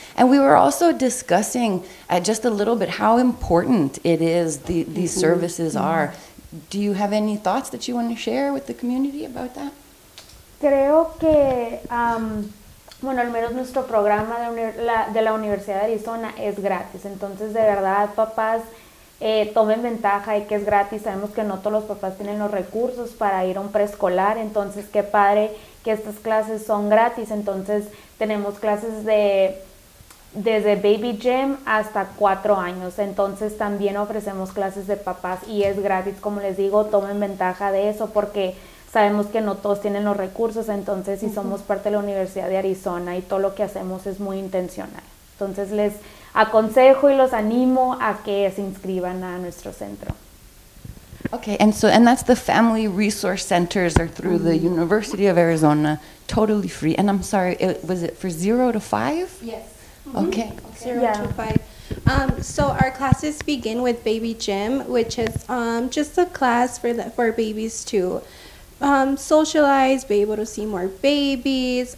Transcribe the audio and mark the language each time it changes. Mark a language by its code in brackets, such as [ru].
[en] And we were also discussing just a little bit how important it is, these mm-hmm. services mm-hmm. are. Do you have any thoughts that you want to share with the community about that? [es] Creo que... Bueno, al menos nuestro programa de la Universidad de Arizona es gratis. Entonces, de verdad, papás, tomen ventaja de que es gratis. Sabemos que no todos los papás tienen los recursos para ir a un preescolar. Entonces, qué padre que estas clases son gratis. Entonces, tenemos clases de desde baby gym hasta 4 años. Entonces también ofrecemos clases de papás y es gratis, como les digo, tomen ventaja de eso porque sabemos que no todos tienen los recursos. Entonces, si somos parte de la Universidad de Arizona y todo lo que hacemos es muy intencional. Entonces, les aconsejo y los animo a que se inscriban a nuestro centro. [en] Okay, and so, and that's the family resource centers are through the University of Arizona, totally free. And I'm sorry, was it for 0 to 5? Yes. Okay. 0 to 5. So our classes begin with baby gym, which is just a class for babies to socialize, be able to see more babies.